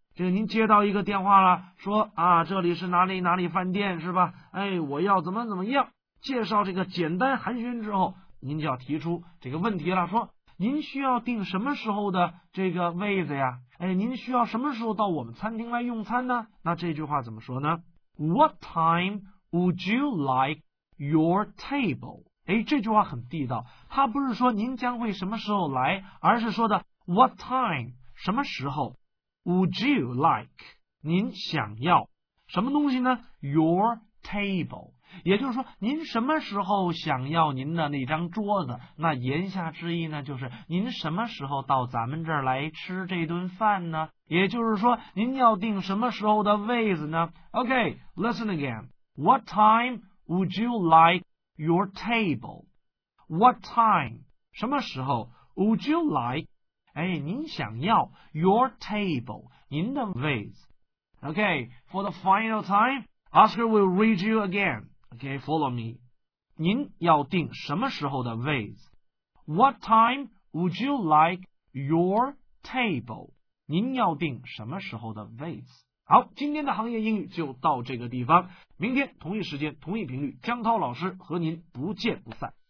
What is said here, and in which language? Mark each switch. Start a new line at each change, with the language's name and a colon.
Chinese: 这个您接到一个电话了，说啊，这里是哪里哪里饭店，是吧？哎，我要怎么怎么样。介绍这个简单寒暄之后，您就要提出这个问题了，说您需要订什么时候的这个位子呀？哎，您需要什么时候到我们餐厅来用餐呢？那这句话怎么说呢？
English: What time would you like your table?
Chinese: 哎，这句话很地道，它不是说您将会什么时候来，而是说的
English: What time,
Chinese: 什么时候。
English: Would you like,
Chinese: 您想要什么东西呢？
English: Your table,
Chinese: 也就是说您什么时候想要您的那张桌子。那言下之意呢，就是您什么时候到咱们这儿来吃这顿饭呢？也就是说您要订什么时候的位子呢？
English: OK, listen again. What time would you like your table? What time,
Chinese: 什么时候。
English: Would you like,
Chinese: 哎，您想要
English: your table,
Chinese: 您的位子。
English: OK, for the final time, Oscar will read you again. OK, follow me.
Chinese: 您要订什么时候的位子？
English: What time would you like your table?
Chinese: 您要订什么时候的位子？好，今天的行业英语就到这个地方。明天同一时间同一频率，江涛老师和您不见不散。